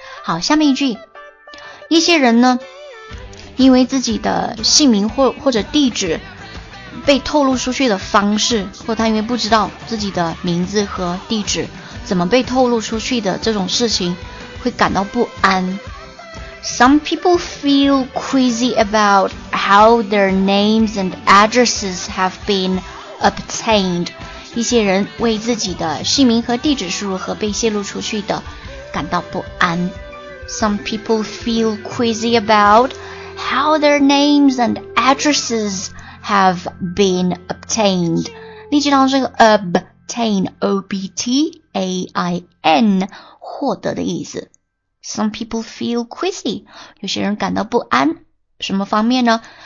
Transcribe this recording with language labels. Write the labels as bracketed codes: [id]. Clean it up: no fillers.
[zh] 好，下面一句，一些人呢，因为自己的姓名或者地址被透露出去的方式，或他因为不知道自己的名字和地址怎么被透露出去的这种事情，会感到不安。 [en] Some people feel queasy about how their names and addresses have been obtained. [zh] 一些人为自己的姓名和地址是如何被泄露出去的感到不安。 [en] Some people feel queasy about how their names and addresses have been obtained. [zh] 例句当中 obtain 获得的意思。 [en] Some people feel queasy, [zh] 有些人感到不安，什么方面呢？